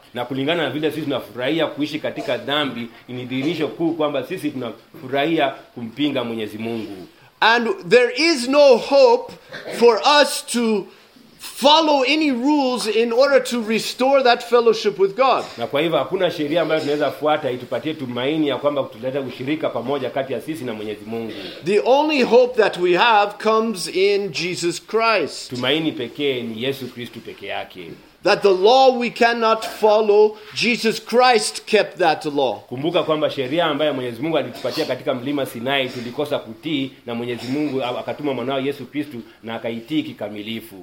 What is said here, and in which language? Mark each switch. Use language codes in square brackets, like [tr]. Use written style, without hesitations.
[sw] Na kulingana na vile sisi tunafurahia kuishi katika dhambi, inidhihirisho kuu kwamba sisi tunafurahia kumpinga Mwenyezi Mungu. [en] And there is no hope for us to follow any rules in order to restore that fellowship with God. [sw] Na kwa hivyo hakuna sheria ambayo tunaweza fuata itupatie tumaini ya kwamba kutuleta ushirika pamoja kati ya sisi na Mwenyezi Mungu. [en] The only hope that we have comes in Jesus Christ. [sw] Tumaini pekee ni Yesu Kristo peke yake. [en] That the law we cannot follow, Jesus Christ kept that law. [sw] Kumbuka kwamba sheria ambayo Mwenyezi Mungu alitupatia katika mlima Sinai tulikosa kutii, na Mwenyezi Mungu akatuma mwanao Yesu Kristo na akaitii kikamilifu.